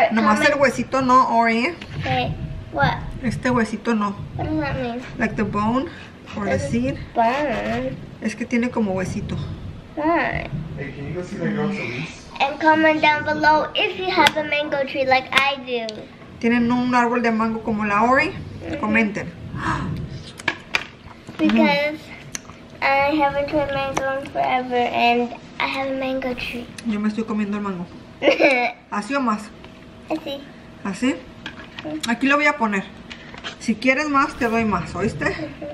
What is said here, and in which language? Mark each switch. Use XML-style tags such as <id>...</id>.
<es>nomás comment. El huesito no, Ori.</es> <en>Okay. What?</en> <es>Este huesito no.</es> <en>What does that mean? Like the bone, or the seed. Bone.</en> <es>Es que tiene como huesito.</es> <en>Bone. Hey, can you go see the girls at least? And comment down below if you have a mango tree like I do.</en> <es>¿Tienen un árbol de mango como la Ori? Comenten.</es> <en>Because I haven't tried mango in forever and I have a mango tree.</en> <es>Yo me estoy comiendo el mango. ¿Así o más? Así. ¿Así? Aquí lo voy a poner. Si quieres más, te doy más, ¿oíste?</es>